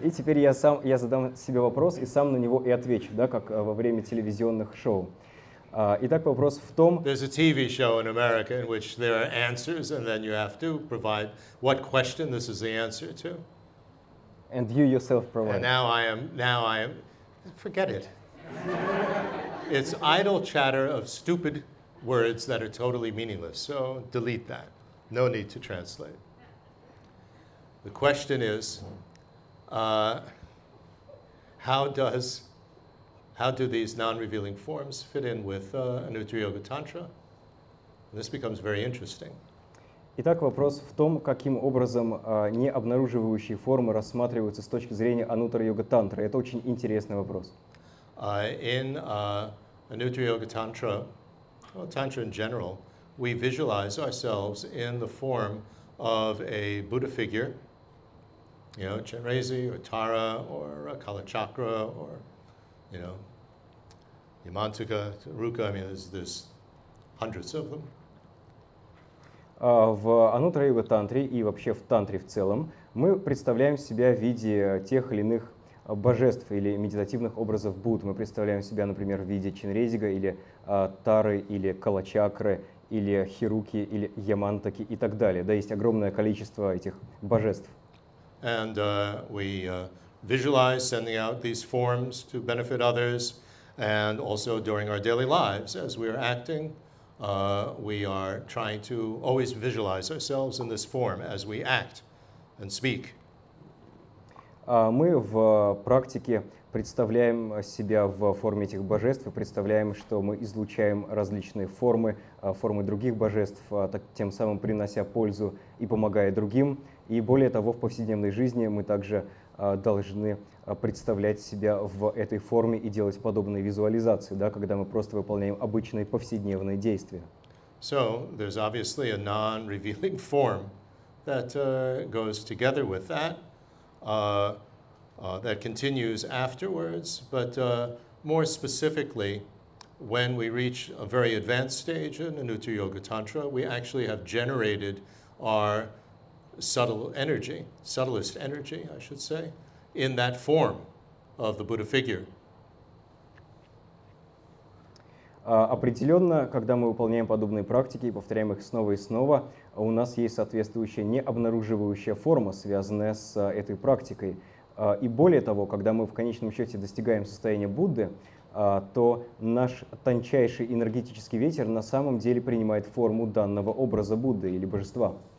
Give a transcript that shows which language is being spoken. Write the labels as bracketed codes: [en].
[ru] И теперь я задам себе вопрос и сам на него и отвечу, да, как во время телевизионных шоу. Итак, вопрос в том... [en] There's a TV show in America in which there are answers, and then you have to provide what question this is the answer to. And you yourself provide. And now I am... Forget it. It's idle chatter of stupid words that are totally meaningless, so delete that. No need to translate. The question is, how do these non-revealing forms fit in with Nutri Yoga Tantra? And this becomes very interesting. [ru] Итак, вопрос в том, каким образом необнаруживающие формы рассматриваются с точки зрения анутра-йога-тантры. Это очень интересный вопрос. [en] Anutra-yoga-tantra, well, tantra in general, we visualize ourselves in the form of a Buddha figure, you know, Chenrezig or Tara or Kalachakra or, you know, Yamantaka, Ruka. I mean, there's hundreds of them. [ru] В анутра-йога-тантре и вообще в тантре в целом мы представляем себя в виде тех или иных божеств или медитативных образов Будд. Мы представляем себя, например, в виде Чинрезига или Тары, или Калачакры, или Хируки, или Ямантаки и так далее. Да, есть огромное количество этих божеств. [en] And we visualize sending out these forms to benefit others, and also during our daily lives as we are acting. We are trying to always visualize ourselves in this form as we act and speak. [ru] Мы в практике представляем себя в форме этих божеств, представляем, что мы излучаем различные формы, формы других божеств, так, тем самым принося пользу и помогая другим. И более того, в повседневной жизни мы также должны представлять себя в этой форме и делать подобные визуализации, да, когда мы просто выполняем обычные повседневные действия. [en] So, there's obviously a non-revealing form that goes together with that, that continues afterwards, but more specifically, when we reach a very advanced stage in Anutra Yoga Tantra, we actually have generated our subtle energy, subtlest energy, I should say, in that form of the Buddha figure. [ru] Определенно, когда мы выполняем подобные практики и повторяем их снова и снова, у нас есть соответствующая необнаруживающая форма, связанная с этой практикой. И более того, когда мы в конечном счете достигаем состояния Будды, то наш тончайший энергетический ветер на самом деле принимает форму данного образа Будды или божества.